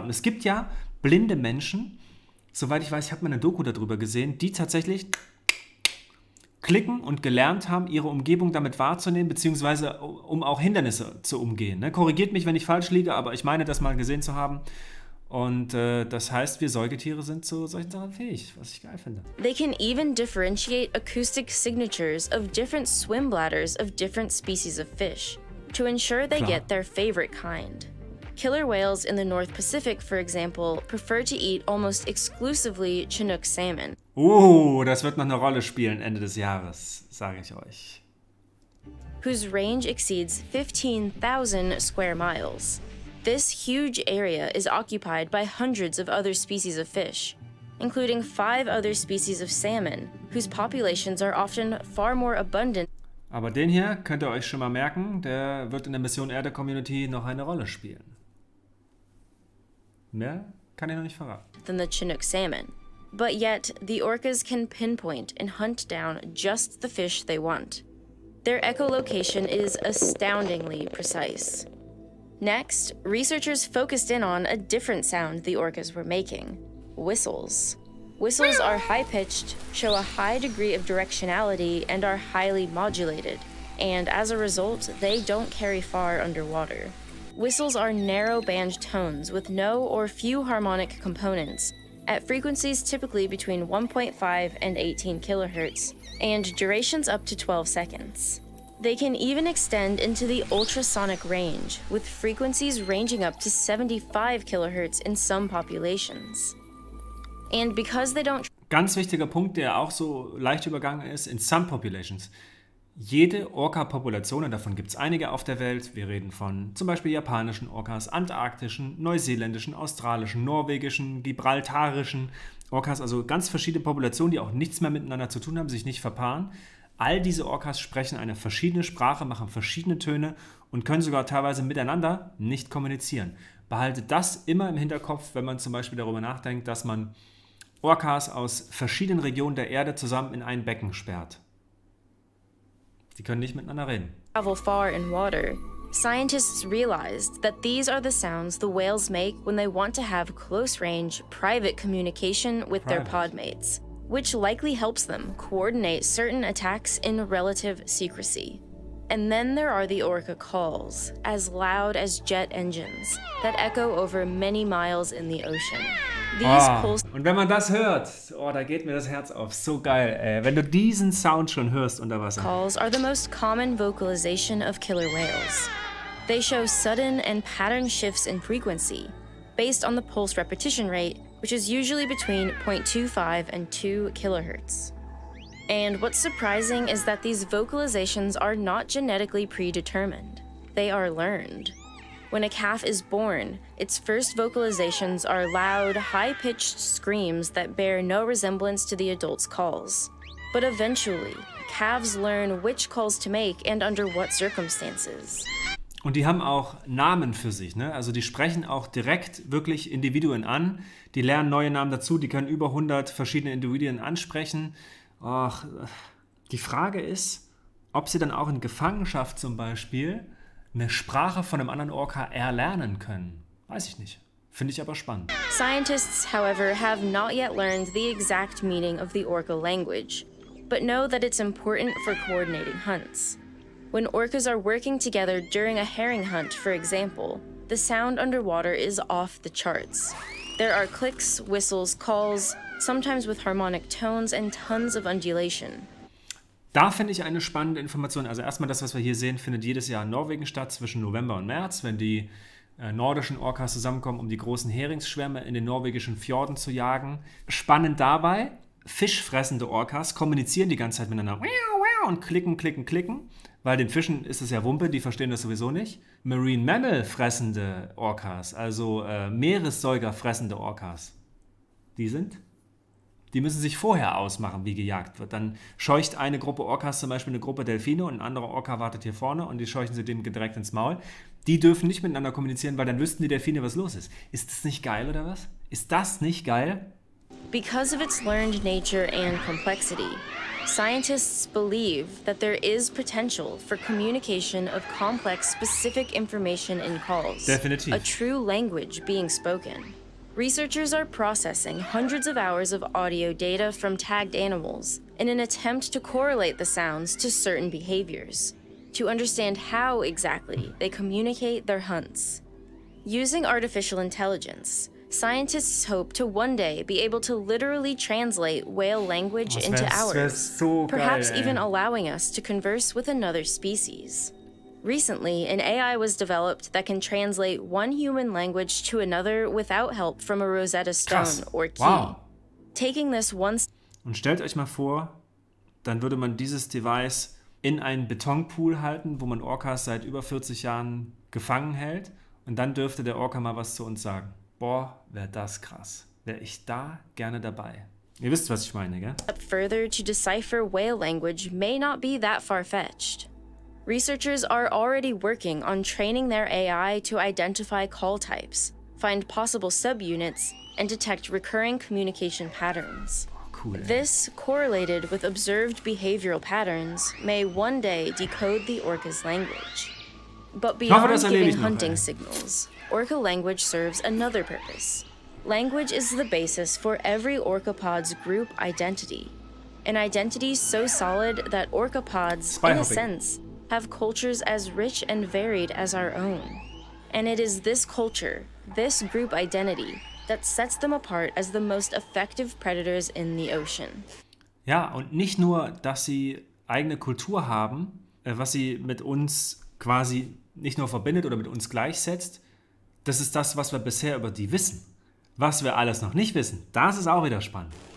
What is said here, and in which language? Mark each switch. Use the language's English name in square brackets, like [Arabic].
[German] Und es gibt ja blinde Menschen, soweit ich weiß, ich habe mal eine Doku darüber gesehen, die tatsächlich klicken und gelernt haben, ihre Umgebung damit wahrzunehmen, beziehungsweise um auch Hindernisse zu umgehen. Korrigiert mich, wenn ich falsch liege, aber ich meine, das mal gesehen zu haben. Und das heißt, wir Säugetiere sind zu solchen Sachen fähig, was ich geil finde. [English] They can even differentiate acoustic signatures of different swim bladders of different species of fish, to ensure they get their favorite kind. Killer whales in the North Pacific, for example, prefer to eat almost exclusively Chinook salmon. [German] Oh, das wird noch eine Rolle spielen Ende des Jahres, sage ich euch. [English] Whose range exceeds 15,000 square miles. This huge area is occupied by hundreds of other species of fish, including 5 other species of salmon, whose populations are often far more abundant. [German] Aber den hier könnt ihr euch schon mal merken, der wird in der Mission Erde Community noch eine Rolle spielen. Mehr kann ich noch nicht verraten. [English] Than the Chinook salmon. But yet, the orcas can pinpoint and hunt down just the fish they want. Their echolocation is astoundingly precise. Next, researchers focused in on a different sound the orcas were making. Whistles. Whistles are high-pitched, show a high degree of directionality, and are highly modulated, and as a result, they don't carry far underwater. Whistles are narrow-band tones with no or few harmonic components, at frequencies typically between 1.5 and 18 kHz, and durations up to 12 seconds. They can even extend into the ultrasonic range, with frequencies ranging up to 75 kHz in some populations. And because they don't... [German] Ganz wichtiger Punkt, der auch so leicht übergangen ist, [English] in some populations. [German] Jede Orca-Population, und davon gibt es einige auf der Welt, wir reden von zum Beispiel japanischen Orcas, antarktischen, neuseeländischen, australischen, norwegischen, gibraltarischen Orcas, also ganz verschiedene Populationen, die auch nichts mehr miteinander zu tun haben, sich nicht verpaaren. All diese Orcas sprechen eine verschiedene Sprache, machen verschiedene Töne und können sogar teilweise miteinander nicht kommunizieren. Behalte das immer im Hinterkopf, wenn man zum Beispiel darüber nachdenkt, dass man Orcas aus verschiedenen Regionen der Erde zusammen in ein Becken sperrt. Sie können nicht miteinander reden. [English] Travel far in water. Scientists realized that these are the sounds the whales make when they want to have close range, private communication with their podmates, which likely helps them coordinate certain attacks in relative secrecy. And then there are the orca calls, as loud as jet engines, that echo over many miles in the ocean. [German] Und wenn man das hört, oh, da geht mir das Herz auf. So geil, ey. Wenn du diesen Sound schon hörst unter Wasser. [English] Calls are the most common vocalization of killer whales. They show sudden and pattern shifts in frequency, based on the pulse repetition rate, which is usually between 0.25 and 2 kHz. And what's surprising is that these vocalizations are not genetically predetermined. They are learned. When a calf is born, its first vocalizations are loud, high-pitched screams that bear no resemblance to the adult's calls. But eventually, calves learn which calls to make and under what circumstances. [German] Und die haben auch Namen für sich, ne? Also die sprechen auch direkt wirklich Individuen an. Die lernen neue Namen dazu, die können über 100 verschiedene Individuen ansprechen. Och, die Frage ist, ob sie dann auch in Gefangenschaft zum Beispiel eine Sprache von einem anderen Orca erlernen können. Weiß ich nicht. Finde ich aber spannend. [English] Scientists, however, have not yet learned the exact meaning of the orca language, but know that it's important for coordinating hunts. When orcas are working together during a herring hunt, for example, the sound underwater is off the charts. There are clicks, whistles, calls, sometimes with harmonic tones and tons of undulation. [German] Da finde ich eine spannende Information. Also erstmal das, was wir hier sehen, findet jedes Jahr in Norwegen statt, zwischen November und März, wenn die nordischen Orcas zusammenkommen, um die großen Heringsschwärme in den norwegischen Fjorden zu jagen. Spannend dabei, fischfressende Orcas kommunizieren die ganze Zeit miteinander und klicken, klicken, klicken, weil den Fischen ist es ja Wumpe, die verstehen das sowieso nicht. Marine Mammal fressende Orcas, also Meeressäuger fressende Orcas, die sind... Die müssen sich vorher ausmachen, wie gejagt wird. Dann scheucht eine Gruppe Orcas zum Beispiel eine Gruppe Delfine und ein anderer Orca wartet hier vorne und die scheuchen sie dem direkt ins Maul. Die dürfen nicht miteinander kommunizieren, weil dann wüssten die Delfine, was los ist. Ist das nicht geil oder was? Ist das nicht geil? [English] Because of its learned nature and complexity, scientists believe that there is potential for communication of complex specific information in calls. [German] Definitiv. [English] A true language being spoken. Researchers are processing hundreds of hours of audio data from tagged animals in an attempt to correlate the sounds to certain behaviors, to understand how exactly they communicate their hunts. Using artificial intelligence, scientists hope to one day be able to literally translate whale language into ours, perhaps even allowing us to converse with another species. Recently, an AI was developed that can translate one human language to another without help from a Rosetta Stone or key. Wow. Taking this once. [German] Und stellt euch mal vor, dann würde man dieses Device in einen Betonpool halten, wo man Orcas seit über 40 Jahren gefangen hält. Und dann dürfte der Orca mal was zu uns sagen. Boah, wäre das krass. Wäre ich da gerne dabei. Ihr wisst, was ich meine, gell? [English] Up further to decipher whale language may not be that far-fetched. Researchers are already working on training their AI to identify call types, find possible subunits, and detect recurring communication patterns. [German] Cool, ey. [English] This, correlated with observed behavioral patterns, may one day decode the orca's language. But beyond giving hunting signals, orca language serves another purpose. Language is the basis for every orcapod's group identity. An identity so solid that orcapods, in a sense, have cultures as rich and varied as our own. And it is this culture, this group identity, that sets them apart as the most effective predators in the ocean. [German] Ja, und nicht nur, dass sie eigene Kultur haben, was sie mit uns quasi nicht nur verbindet oder mit uns gleichsetzt, das ist das, was wir bisher über die wissen. Was wir alles noch nicht wissen, das ist auch wieder spannend.